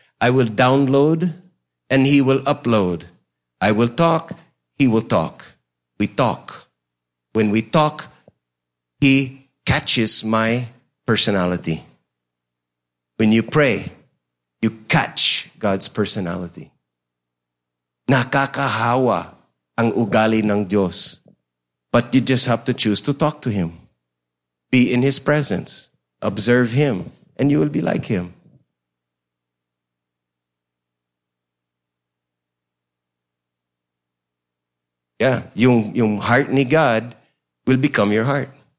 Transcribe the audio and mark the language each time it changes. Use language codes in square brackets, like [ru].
[en] I will download and he will upload. I will talk, he will talk. We talk. When we talk, he catches my personality. When you pray, you catch God's personality. [tl] Nakakahawa ang ugali ng Diyos. [en] But you just have to choose to talk to him. Be in his presence. Observe him. And you will be like him. Yeah. Yung heart ni God will become your heart.